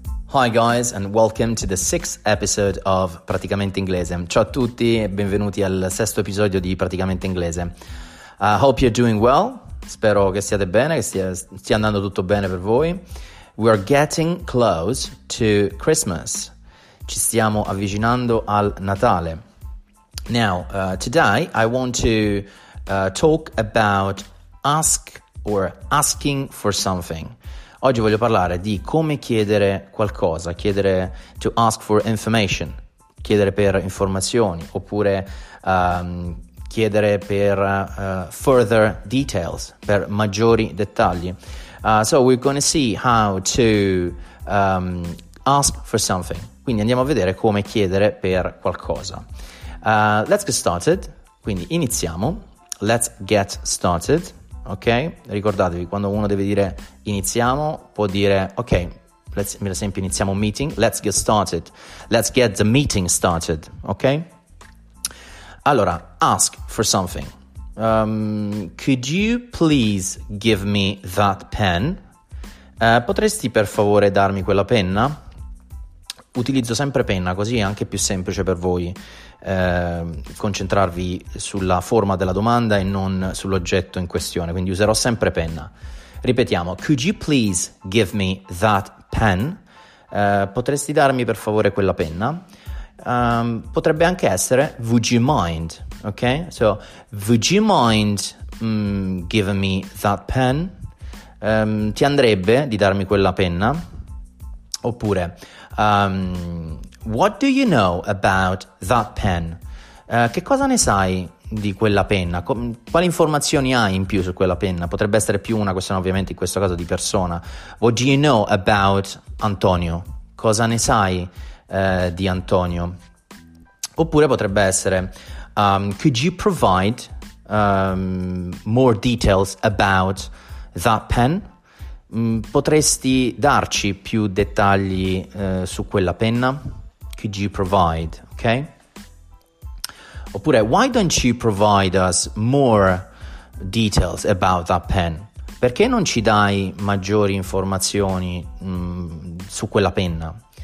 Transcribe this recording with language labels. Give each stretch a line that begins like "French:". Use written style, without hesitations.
English: Hi guys and welcome to the sixth episode of Praticamente Inglese.
Italian: Ciao a tutti e benvenuti al sesto episodio di Praticamente Inglese.
English: Hope you're doing well.
Italian: Spero che stiate bene, che stia andando tutto bene per voi.
English: We're getting close to Christmas.
Italian: Ci stiamo avvicinando al Natale.
English: Now, today I want to talk about ask or asking for something.
Italian: Oggi voglio parlare di come chiedere qualcosa, chiedere
English: to ask for information,
Italian: chiedere per informazioni, oppure chiedere per
English: further details,
Italian: per maggiori dettagli.
English: So we're going to see how to ask for something.
Italian: Quindi andiamo a vedere come chiedere per qualcosa.
English: Let's get started.
Italian: Quindi iniziamo.
English: Let's get started.
Italian: Ok, ricordatevi, quando uno deve dire iniziamo, può dire ok, per esempio iniziamo un meeting,
English: let's get started, let's get the meeting started,
Italian: ok?
English: Allora, ask for something. Could you please give me that pen?
Italian: Potresti per favore darmi quella penna? Utilizzo sempre penna, così è anche più semplice per voi concentrarvi sulla forma della domanda e non sull'oggetto in questione, quindi userò sempre penna.
English: Ripetiamo, could you please give me that pen?
Italian: Potresti darmi per favore quella penna? Potrebbe anche essere,
English: would you mind? Ok, so, would you mind giving me that pen?
Italian: Ti andrebbe di darmi quella penna?
English: Oppure, what do you know about that pen?
Italian: Che cosa ne sai di quella penna? Quali informazioni hai in più su quella penna? Potrebbe essere più una questione, ovviamente, in questo caso di persona.
English: What do you know about Antonio?
Italian: Cosa ne sai di Antonio? Oppure potrebbe essere,
English: could you provide more details about that pen?
Italian: Potresti darci più dettagli su quella penna?
English: Could you provide, ok? Oppure, why don't you provide us more details about that pen?
Italian: Perché non ci dai maggiori informazioni su quella penna?